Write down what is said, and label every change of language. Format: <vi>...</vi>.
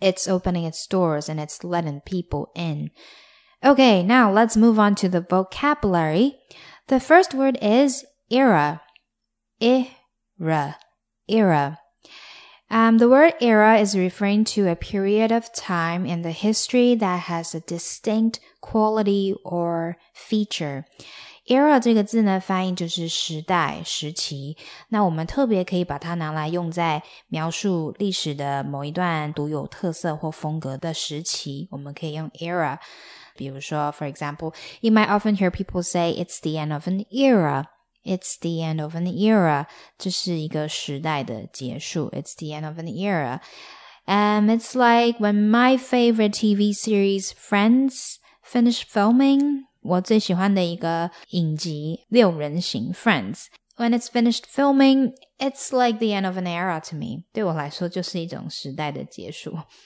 <en>It's opening its doors and it's letting people in. Okay, now let's move on to the vocabulary. The first word is era. Era. The word era is referring to a period of time in the history that has a distinct quality or feature.</en> <zh>Era 这个字呢，翻译就是时代、时期。那我们特别可以把它拿来用在描述历史的某一段独有特色或风格的时期，我们可以用 era。比如说</zh> <en>，for example, you might often hear people say it's the end of an era. It's the end of an era.</en> <zh>这是一个时代的结束。</zh> <en>It's the end of an era. It's like when my favorite TV series Friends finished filming.</en> <zh>我最喜欢的一个影集六人行</zh> <en>Friends When it's finished filming, it's like the end of an era to me.</en> <zh>对我来说就是一种时代的结束。</zh>